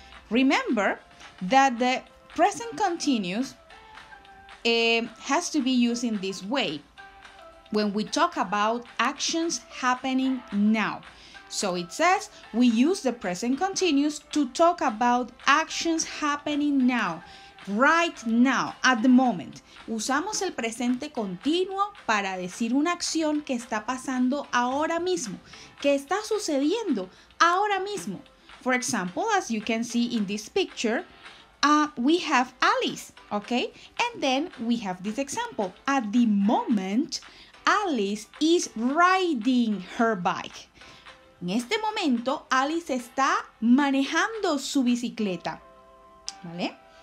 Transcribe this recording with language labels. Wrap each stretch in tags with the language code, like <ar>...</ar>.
<en>Remember that the present continuous has to be used in this way when we talk about actions happening now. So it says we use the present continuous to talk about actions happening now. Right now, at the moment.</en> <es>Usamos el presente continuo para decir una acción que está pasando ahora mismo, que está sucediendo ahora mismo.</es> <en>For example, as you can see in this picture, we have Alice, okay? And then we have this example. At the moment, Alice is riding her bike.</en> <es>En este momento, Alice está manejando su bicicleta, ¿vale?</es>